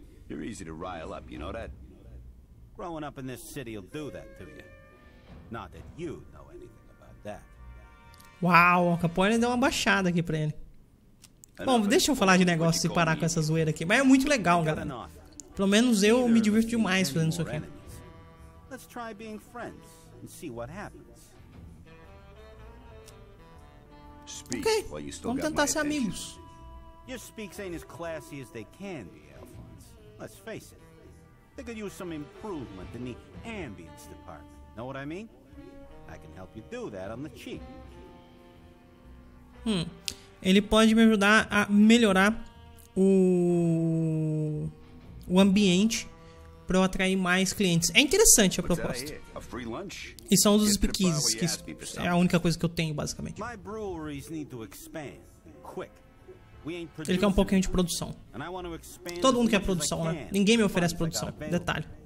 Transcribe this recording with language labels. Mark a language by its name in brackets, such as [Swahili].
[English] You're easy to rile up, you know that? Growing up in this city will do that to you. Not that you know anything about that. [Portuguese] Uau, o Capone deu uma baixada aqui pra ele. Bom, deixa eu falar de negócio e parar com essa zoeira aqui. Mas é muito legal, galera. Pelo menos eu me divirto demais fazendo isso aqui. [English] Let's try being friends and see what happens. [Portuguese] Ok, vamos tentar ser amigos. [English] Your speaks ain't as classy as they can be, Alphonse. Let's face it. They could use some improvement in the ambience department. Know what I mean? I can help you do that on the cheap. [Portuguese] Ele pode me ajudar a melhorar o ambiente para eu atrair mais clientes. É interessante a proposta. E são os speakeasies, que é a única coisa que eu tenho, basicamente. [English] My breweries need to expand quick. [Portuguese] Ele quer um pouquinho de produção. Todo mundo quer produção, né? Ninguém me oferece produção. Detalhe.